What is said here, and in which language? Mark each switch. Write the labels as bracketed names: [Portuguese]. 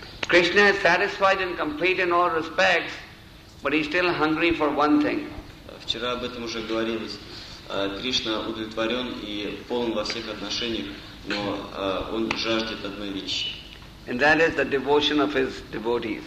[English] Krishna is satisfied and complete in all respects, but he's still hungry for one thing. [Russian] Вчера об этом уже говорилось. Кришна удовлетворен и полон во всех отношениях, но он жаждет одной вещи. [English] And that is the devotion of his devotees.